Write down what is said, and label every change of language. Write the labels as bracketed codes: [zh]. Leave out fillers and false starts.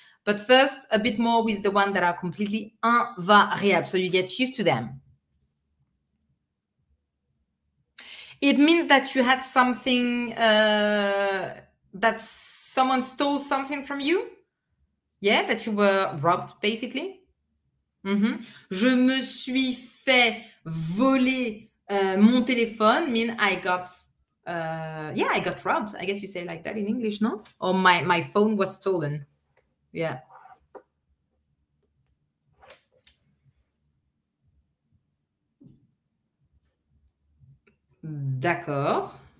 [en] But first, a bit more with the ones that are completely invariable, so you get used to them. It means that you had something, that someone stole something from you. Yeah, that you were robbed, basically. Mm-hmm. [fr] Je me suis fait voler mon téléphone [en] mean I got robbed. I guess you say it like that in English, no? Or my phone was stolen. Yeah. [fr] D'accord.